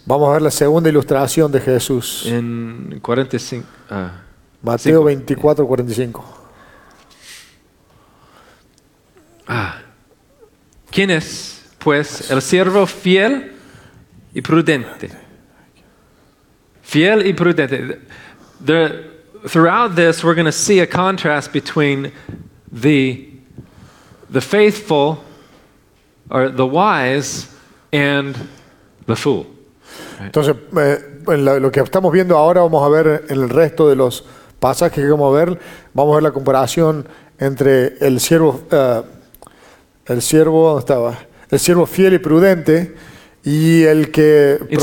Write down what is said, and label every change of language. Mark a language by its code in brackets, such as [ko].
[es] Vamos a ver la segunda ilustración de Jesús. [en] In [es] 45. Mateo 24:45. Ah. ¿Quién es, pues, el siervo fiel y prudente? Fiel y prudente. [en] Throughout this, we're going to see a contrast between the faithful, or the wise, and the fool. [es] Entonces, lo que estamos viendo ahora, vamos a ver en el resto de los pasajes que vamos a ver la comparación entre el siervo fiel y prudente y el que